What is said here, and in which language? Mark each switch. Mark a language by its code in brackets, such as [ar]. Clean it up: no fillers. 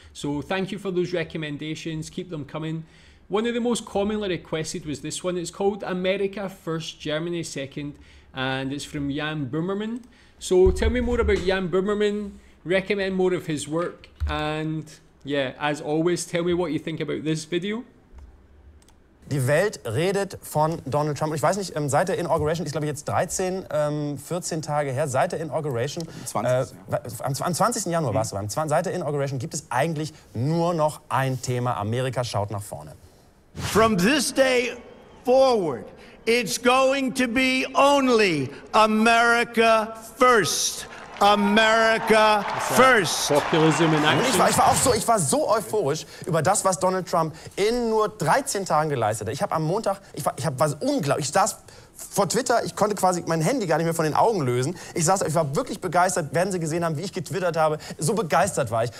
[en] So thank you for those recommendations. Keep them coming. One of the most commonly requested was this one. It's called America First, Germany Second, and it's from Jan Böhmermann. So tell me more about Jan Böhmermann, recommend more of his work, and yeah, as always, tell me what you think about this video. [de] Die Welt redet von Donald Trump. Ich weiß nicht, seit der Inauguration, ist glaube ich jetzt 13, 14 Tage her, seit der Inauguration, am 20. Januar warst du, seit der Inauguration gibt es eigentlich nur noch ein Thema. Amerika schaut nach vorne. [en] From this day forward, it's going to be only America first. America first. Populism in action. [de] Ich war so euphorisch über das, was Donald Trump in nur 13 Tagen geleistet hat. Ich habe am Montag, ich war unglaublich. Ich saß vor Twitter, ich konnte quasi mein Handy gar nicht mehr von den Augen lösen. Ich war wirklich begeistert, werden Sie gesehen haben, wie ich getwittert habe. So begeistert war ich.